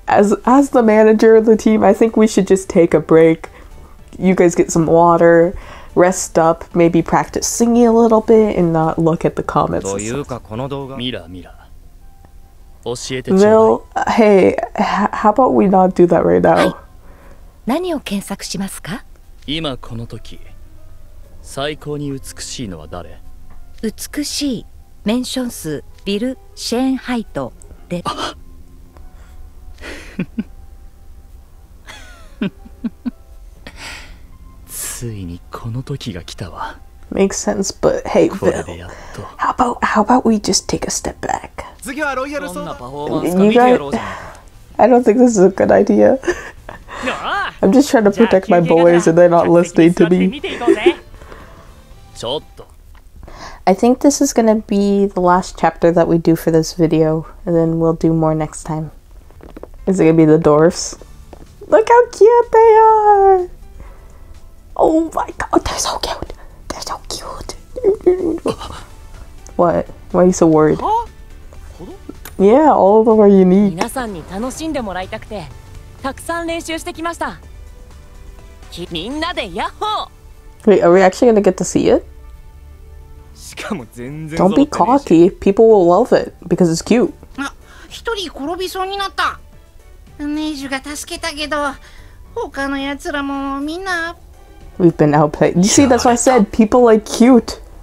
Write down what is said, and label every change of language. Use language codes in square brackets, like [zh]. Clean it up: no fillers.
[en] as the manager of the team, I think we should just take a break. You guys get some water, rest up, maybe practice singing a little bit, and not look at the comments. Mill, hey, how about we not do that right now? [ja] 何を検索しますか？今この時、最高に美しいのは誰？美しい、メンション数、ビル・シェーンハイトで。あ、ついにこの時が来たわ。 [en] Makes sense, but hey, Bill. How about we just take a step back? I don't think this is a good idea. I'm just trying to protect my boys and they're not listening to me. I think this is going to be the last chapter that we do for this video, and then we'll do more next time. Is it going to be the dwarfs? Look how cute they are! Oh my god, they're so cute! They're so cute. What? Why are you so worried? Yeah, all of them are unique. Wait, are we actually going to get to see it? Don't be cocky. People will love it because it's cute. [ja] Ah, 一人転びそうになった。ネージュが助けたけど、他のやつらもみんな。 [en] We've been outplayed. You see, that's why I said people like cute.